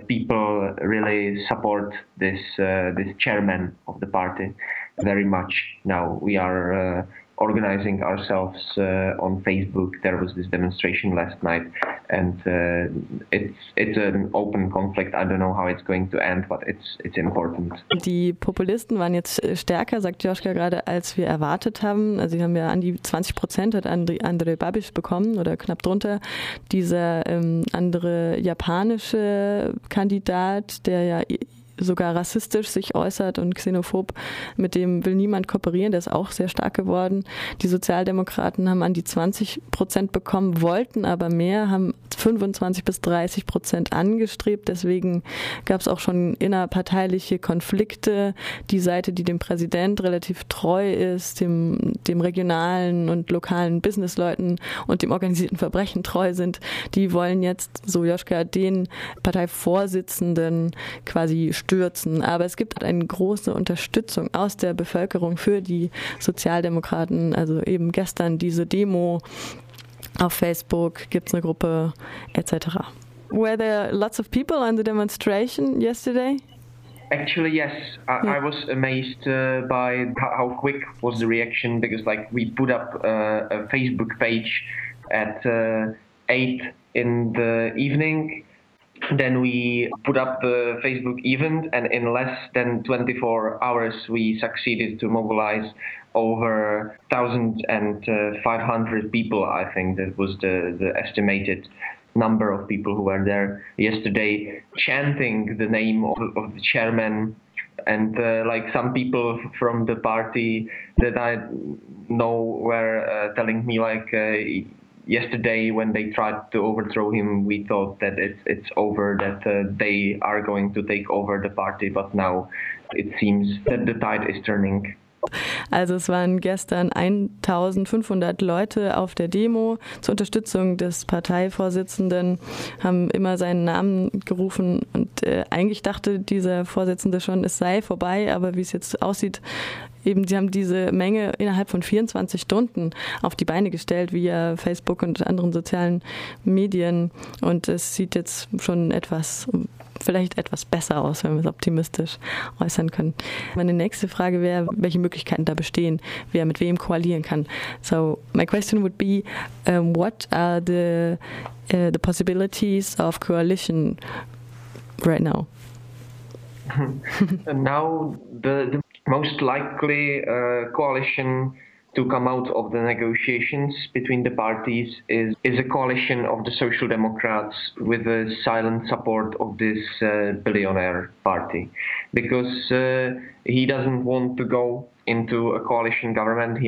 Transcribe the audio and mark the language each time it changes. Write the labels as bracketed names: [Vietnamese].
[English] People really support this this chairman of the party very much. Now we are organizing ourselves on Facebook. There was this demonstration last night, and it's an open conflict. I don't know how it's going to end, but it's important. [German] Die Populisten waren jetzt stärker, sagt Joschka gerade, als wir erwartet haben. Also sie haben ja an die 20% hat Andrej Babiš bekommen oder knapp drunter. Dieser andere japanische Kandidat, der ja sogar rassistisch sich äußert und xenophob, mit dem will niemand kooperieren, der ist auch sehr stark geworden. Die Sozialdemokraten haben an die 20% bekommen, wollten aber mehr, haben 25-30% angestrebt. Deswegen gab es auch schon innerparteiliche Konflikte. Die Seite, die dem Präsident relativ treu ist, dem regionalen und lokalen Businessleuten und dem organisierten Verbrechen treu sind, die wollen jetzt, so Joschka, den Parteivorsitzenden quasi stürzen. Aber es gibt eine große Unterstützung aus der Bevölkerung für die Sozialdemokraten. Also eben gestern diese Demo auf Facebook, gibt's eine Gruppe, etc. [English] Were there lots of people on the demonstration yesterday? Actually, yes. I was amazed by how quick was the reaction, because like we put up a Facebook page at 8 in the evening. Then we put up the Facebook event, and in less than 24 hours we succeeded to mobilize over 1,500 people. I think that was the estimated number of people who were there yesterday, chanting the name of the chairman. And like some people from the party that I know were telling me like, yesterday, when they tried to overthrow him, we thought that it's over, that they are going to take over the party. But now it seems that the tide is turning. [German] Also es waren gestern 1500 Leute auf der Demo zur Unterstützung des Parteivorsitzenden, haben immer seinen Namen gerufen und eigentlich dachte dieser Vorsitzende schon, es sei vorbei, aber wie es jetzt aussieht, eben, sie haben diese Menge innerhalb von 24 Stunden auf die Beine gestellt via Facebook und anderen sozialen Medien und es sieht jetzt schon etwas, vielleicht etwas besser aus, wenn wir es optimistisch äußern können. Meine nächste Frage wäre, welche Möglichkeiten da bestehen, wer mit wem koalieren kann. [English] So my question would be, what are the possibilities of coalition right now? Now the most likely coalition to come out of the negotiations between the parties is a coalition of the Social Democrats with the silent support of this billionaire party, because he doesn't want to go into a coalition government.